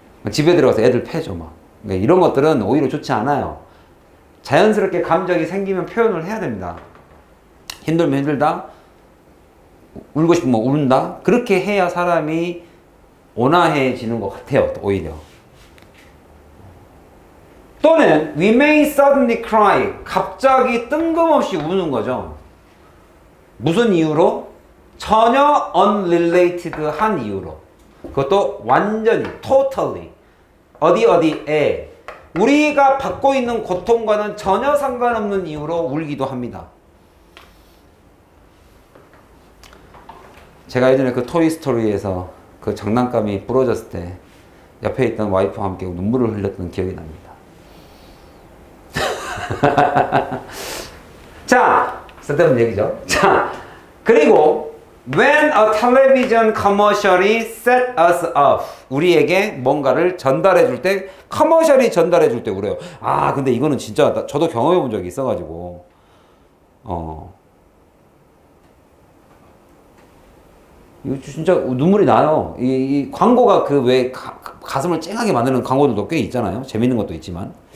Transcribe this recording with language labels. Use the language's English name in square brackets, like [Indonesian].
[Korean] 집에 들어가서 애들 패죠, 막. 그러니까 이런 것들은 오히려 좋지 않아요. 자연스럽게 감정이 생기면 표현을 해야 됩니다. 힘들면 힘들다. 울고 싶으면 울다. 그렇게 해야 사람이 온화해지는 것 같아요, 오히려. 또는 [English] we may suddenly cry. [Korean] 갑자기 뜬금없이 우는 거죠. 무슨 이유로? 전혀 [English] unrelated [Korean] 한 이유로. 그것도 완전히, [English] totally. [Korean] 어디 어디에 우리가 받고 있는 고통과는 전혀 상관없는 이유로 울기도 합니다. 제가 예전에 그 토이스토리에서 그 장난감이 부러졌을 때 옆에 있던 와이프와 함께 눈물을 흘렸던 기억이 납니다. 자, 쓸데없는 얘기죠. 자, 그리고 [English] when a television commercially set us off. [Korean] 우리에게 뭔가를 전달해 줄 때, 커머셜이 전달해 줄 때 울어요. 아, 근데 이거는 진짜, 저도 경험해 본 적이 있어가지고. 이거 진짜 눈물이 나요. 이 광고가 그 왜 가슴을 쨍하게 만드는 광고들도 꽤 있잖아요. 재밌는 것도 있지만.